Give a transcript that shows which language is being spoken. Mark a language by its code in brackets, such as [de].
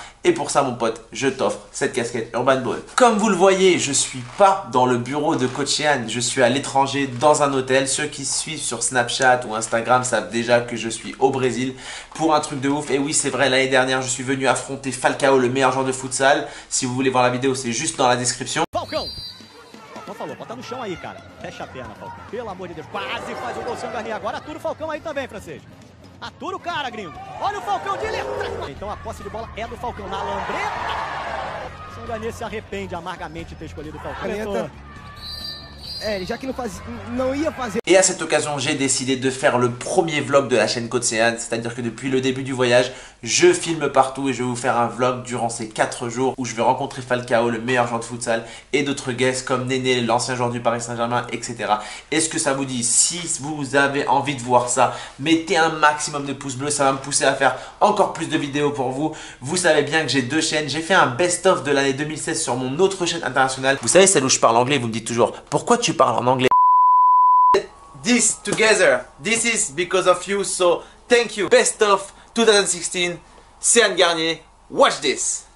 [fr] Et pour ça mon pote, je t'offre cette casquette Urban Ball. Comme vous le voyez, je suis pas dans le bureau de Coach Ian, je suis à l'étranger dans un hôtel. Ceux qui suivent sur Snapchat ou Instagram savent déjà que je suis au Brésil pour un truc de ouf. Et oui, c'est vrai, l'année dernière, je suis venu affronter Falcao, le meilleur joueur de futsal. Si vous voulez voir la vidéo, c'est juste dans la description. Falcao! [pt] Falcao falou, bota no chão aí, cara. Fecha a perna, Falcao. Pelo amor de Deus, quase faz o bolsão garrer. Agora atura o Falcao aí também, francês. Atura o cara, gringo. Olha o Falcao de letra. Então a posse de bola é do Falcao na lambreta. O São Garnier se arrepende amargamente de ter escolhido o Falcao. [fr] Et à cette occasion, j'ai décidé de faire le premier vlog de la chaîne Coach Ian. C'est-à-dire que depuis le début du voyage, je filme partout et je vais vous faire un vlog durant ces 4 jours où je vais rencontrer Falcao, le meilleur joueur de futsal, et d'autres guests comme Néné, l'ancien joueur du Paris Saint-Germain, etc. Est-ce que ça vous dit? Si vous avez envie de voir ça, mettez un maximum de pouces bleus. Ça va me pousser à faire encore plus de vidéos pour vous. Vous savez bien que j'ai 2 chaînes. J'ai fait un best-of de l'année 2016 sur mon autre chaîne internationale. Vous savez celle où je parle anglais, vous me dites toujours pourquoi tu parles en anglais. [en] This together, this is because of you, so thank you. Best of 2016, Cyan Garnier, watch this.